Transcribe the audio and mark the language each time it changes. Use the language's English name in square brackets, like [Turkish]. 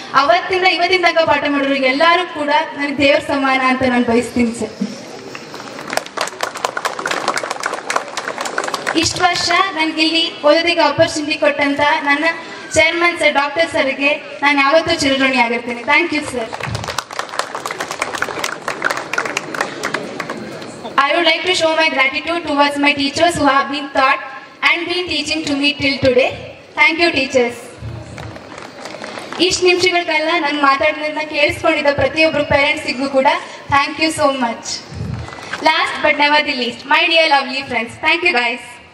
[Kannada] ಅವತ್ತಿಂದ ಇವತ್ತಿನ ತನಕ ಪಾಠ ಮಾಡಿದ್ರು ಎಲ್ಲರೂ ಕೂಡ ನನಗೆ ದೇವ್ರ ಸಮಾನ ಅಂತ ನಾನು ಬಯಸ್ತೀನಿ ಸರ್. ಇಷ್ಟು ವರ್ಷ ನನಗೆ ಇಲ್ಲಿ ಓದೋದಕ್ಕೆ ಆಪರ್ಚುನಿಟಿ ಕೊಟ್ಟಂತ ನನ್ನ ಚೇರ್ಮನ್ ಸರ್, ಡಾಕ್ಟರ್ ಸರ್ಗೆ ನಾನು ಯಾವತ್ತೂ ಚಿರಋಣಿ ಆಗಿರ್ತೀನಿ. [English] Thank you sir. I would like to show my gratitude towards my teachers who have been taught and been teaching to me till today. Thank you, teachers. [Kannada] ಇಷ್ಟು ನಿಮಿಷಗಳಿಗೆಲ್ಲ ನನ್ನ ಮಾತಾಡೋದನ್ನ ಕೇಳಿಸ್ಕೊಂಡಿದ್ದ ಪ್ರತಿಯೊಬ್ಬರು ಪೇರೆಂಟ್ಸಿಗೂ ಕೂಡ [English] Thank you so much. Last but never the least, my dear lovely friends, thank you guys.